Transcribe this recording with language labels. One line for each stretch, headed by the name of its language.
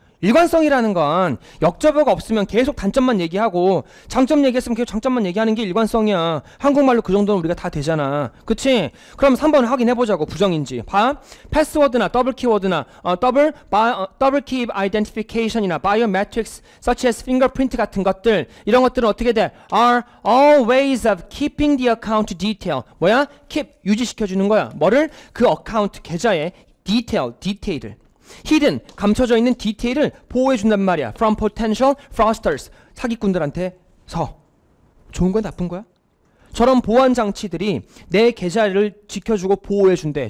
Korean: 일관성이라는 건 역접어가 없으면 계속 단점만 얘기하고 장점 얘기했으면 계속 장점만 얘기하는 게 일관성이야. 한국말로 그 정도는 우리가 다 되잖아. 그치? 그럼 3번 확인해보자고. 부정인지. 봐. 패스워드나 더블 키워드나 더블 키 아이덴티피케이션이나 바이오매트릭스
English: such as
Korean: 핑거프린트 같은 것들 이런 것들은 어떻게 돼?
English: Are all ways of keeping the account detail.
Korean: 뭐야? Keep 유지시켜주는 거야. 뭐를? 그 어카운트 계좌의 디테일을. Hidden, 감춰져 있는 디테일을 보호해준단 말이야.
English: From potential fraudsters,
Korean: 사기꾼들한테서. 좋은 거야, 나쁜 거야? 저런 보안 장치들이 내 계좌를 지켜주고 보호해준대.